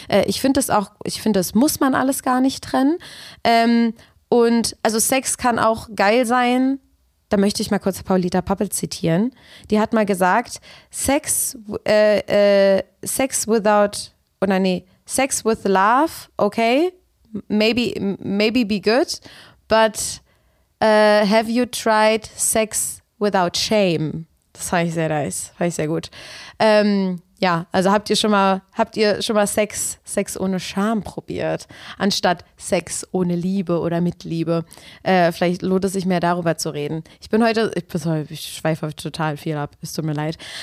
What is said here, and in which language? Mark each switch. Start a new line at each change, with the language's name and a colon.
German: Ich finde, das muss man alles gar nicht trennen. Und also Sex kann auch geil sein. Da möchte ich mal kurz Paulita Pappel zitieren. Die hat mal gesagt,
English: Sex without,
German: oder nee,
English: Sex with love, okay, maybe be good, but have you tried sex without shame?
German: Das fand ich sehr nice, fand ich sehr gut. Ja, also habt ihr schon mal Sex ohne Scham probiert, anstatt Sex ohne Liebe oder mit Liebe? Vielleicht lohnt es sich mehr, darüber zu reden. Ich schweife total viel ab, es tut mir leid.